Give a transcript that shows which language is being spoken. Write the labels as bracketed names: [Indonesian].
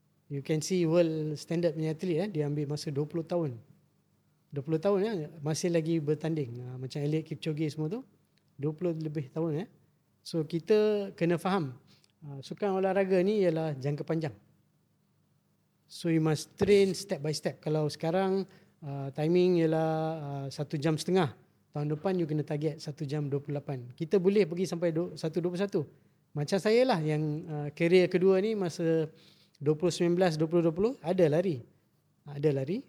[English] You can see world standard [Malay] punya atlet dia ambil masa 20 tahun. 20 tahun masih lagi bertanding. Macam Eliud Kipchoge semua tu 20 lebih tahun. So kita kena faham sukan olahraga ni ialah jangka panjang. [English] So you must train step by step. [Malay] Kalau sekarang timing ialah 1 jam setengah, tahun depan you kena target 1 jam 28. Kita boleh pergi sampai 1.21. Macam saya lah yang career kedua ni masa 2019-2020 ada lari. Ada lari.